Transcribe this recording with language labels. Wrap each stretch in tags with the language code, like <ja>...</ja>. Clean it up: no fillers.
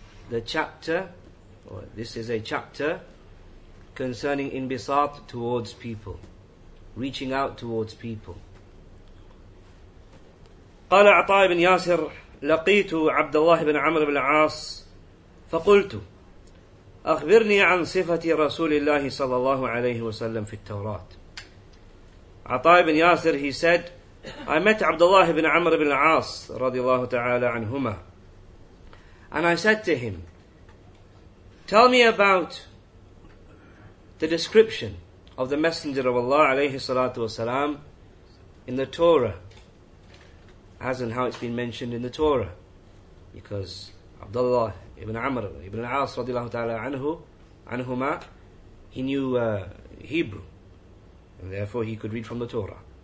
<en>The chapter, or this is a chapter concerning Inbisat towards people, reaching out towards people.</en> <ar>قال عطاء بن ياسر لقيت عبد الله بن عمرو بن العاص فقلت أخبرني عن صفة رسول الله صلى الله عليه وسلم في التوراة.</ar> <en>عطاء بن ياسر, he said, I met Abdullah ibn Amr ibn al-As</en> <ar>رضي الله تعالى عنهما,</ar> <en>and I said to him, tell me about the description of the Messenger of Allah</en> <ar>عليه الصلاة والسلام</ar> <en>in the Torah, as in how it's been mentioned in the Torah, because Abdullah ibn Amr ibn al-As radiallahu ta'ala anhuma, he knew Hebrew, and therefore he could read from the Torah.</en>